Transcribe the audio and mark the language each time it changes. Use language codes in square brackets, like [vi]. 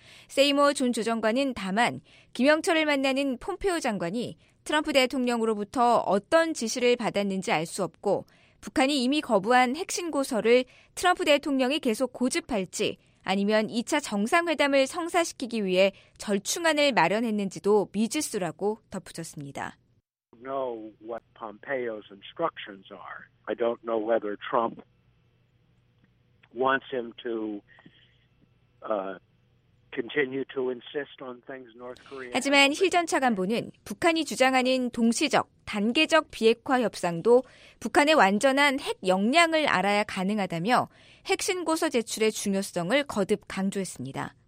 [ko] 세이머 존 조정관은 다만 김영철을 만나는 폼페오 장관이 트럼프 대통령으로부터 어떤 지시를 받았는지 알 수 없고 북한이 이미 거부한 핵신고서를 트럼프 대통령이 계속 고집할지 아니면 2차 정상회담을 성사시키기 위해 절충안을 마련했는지도 미지수라고 덧붙였습니다. [en] I don't know what Pompeo's instructions are. I don't know whether Trump wants him to continue to insist on things North Korea. [ko] 하지만 힐 전 차관보는 북한이 주장하는 동시적, 단계적 비핵화 협상도 북한의 완전한 핵 역량을 알아야 가능하다며 핵신고서 제출의 중요성을 거듭 강조했습니다.